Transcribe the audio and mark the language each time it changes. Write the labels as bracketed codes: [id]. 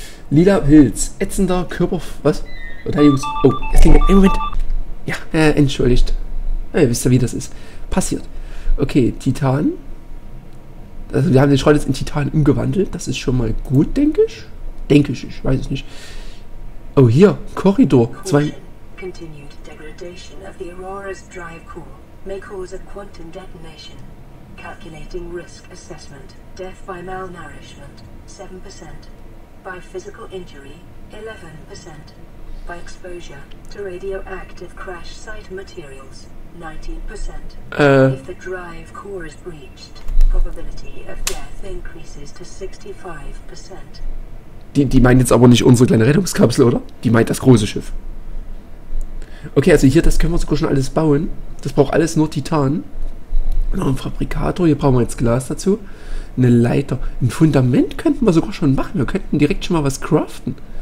[de] Lila Pilz. Ätzender Körper... Was? Oh, da, Jungs. Oh, es klingelt. Einen Moment. Ja, entschuldigt. Ihr wisst ja, wie das ist. Passiert. Okay, Titan. Also, wir haben den Schrott jetzt in Titan umgewandelt. Das ist schon mal gut, denke ich. Denke ich, weiß es nicht. Oh, hier, Korridor. Zwei. [en] Continued degradation of the Aurora's drive core may cause a quantum detonation. Calculating risk assessment. Death by malnourishment, 7%. By physical injury, 11%. By exposure to radioactive crash site materials, 19%. If the drive core is breached, probability of death increases to 65%. [de] Die meint jetzt aber nicht unsere kleine Rettungskapsel, oder? Die meint das große Schiff. Okay, also hier, das können wir sogar schon alles bauen. Das braucht alles nur Titan. Noch ein Fabrikator, hier brauchen wir jetzt Glas dazu. Eine Leiter. Ein Fundament könnten wir sogar schon machen. Wir könnten direkt schon mal was craften.